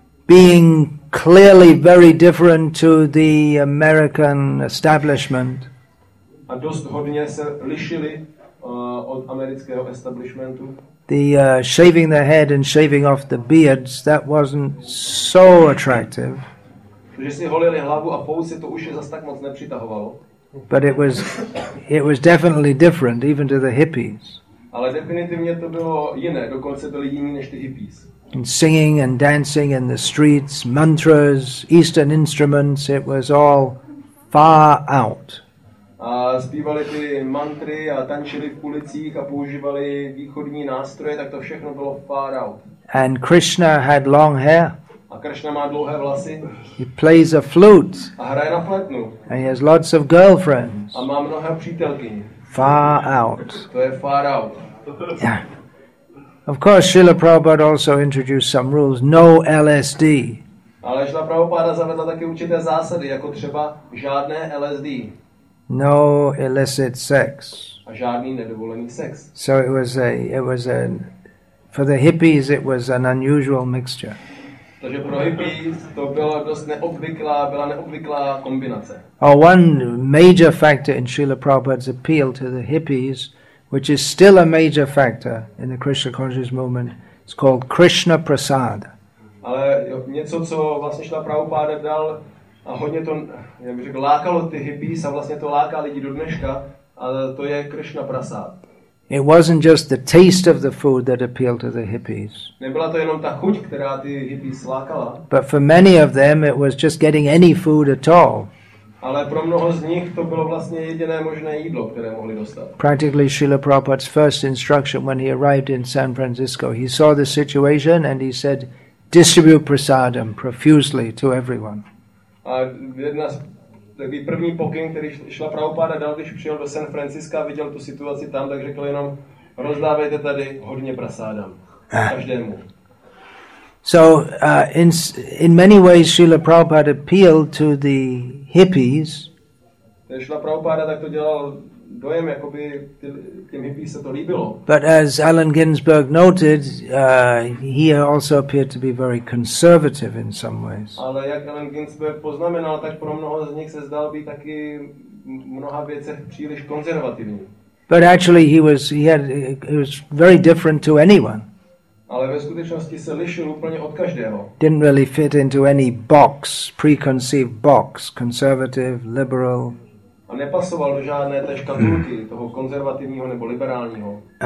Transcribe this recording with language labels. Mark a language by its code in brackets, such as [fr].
[en] Being clearly very different to the American establishment. [cs] A dost hodně se lišili od amerického establishmentu. [en] The shaving the head and shaving off the beards, that wasn't so attractive. [cs] Že si holili hlavu a pouze to už je zas tak moc nepřitahovalo. [en] But it was definitely different, even to the hippies. [cs] Ale definitivně to bylo jiné, dokonce byly jiní než ty hippies. [en] And singing and dancing in the streets, mantras, eastern instruments, it was all far out. [cs] A zpívali ty mantry a tančili v ulicích a používali východní nástroje, tak to všechno bylo [en] far out. And Krishna had long hair. [cs] A Krishna má dlouhé vlasy. [en] He plays a flute. [cs] A hraje na flétnu. [en] And he has lots of girlfriends. [cs] A má mnohé přítelkyně. [en] Far out. [cs] To je [en] far out. Yeah. Of course, Srila Prabhupada also introduced some rules. No LSD. [cs] Ale Srila Prabhupada zavedla také určité zásady, jako třeba žádné LSD. [en] No illicit sex. [cs] A žádný nedovolený sex. [en] So it was a for the hippies it was an unusual mixture. [cs] Takže pro hippies to byla dost neobvyklá kombinace. [en] Oh, one major factor in Srila Prabhupada's appeal to the hippies, which is still a major factor in the Krishna consciousness movement, it's called Krishna Prasad. [cs] Ale něco, co vlastně Srila Prabhupada dal a hodně to, jak bych řekl, lákalo ty hippies a vlastně to láká lidi do dneška, a to je Krishna Prasad. [en] It wasn't just the taste of the food that appealed to the hippies. [cs] Nebyla to jenom ta chuť, která ty hippies lákala. [en] But for many of them it was just getting any food at all. [cs] Ale pro mnoho z nich to bylo vlastně jediné možné jídlo, které mohli dostat. [en] Practically Srila Prabhupada's first instruction when he arrived in San Francisco, he saw the situation and he said, distribute prasadam profusely to everyone. [cs] A jedna z takový první pokyn, který Srila Prabhupada dal, když přijel do San Francisco, viděl tu situaci tam, tak řekl jenom, rozdávejte tady hodně prasadam každému. [en] So in many ways Srila Prabhupada appealed to the hippies. [cs] Srila Prabhupada tak to dělal dojem, jakoby těm hippies se to líbilo. [en] But as Allen Ginsberg noted, he also appeared to be very conservative in some ways. [cs] Ale jak Allen Ginsberg poznamenal, tak pro mnoho z nich se zdal být taky mnoha věcech příliš konzervativní. [en] But actually he was very different to anyone. [cs] Ale ve skutečnosti se lišil úplně od každého. [en] Didn't really fit into any box, preconceived box, conservative, liberal. [cs] A nepasoval do žádné té škatulky, toho konzervativního nebo liberálního.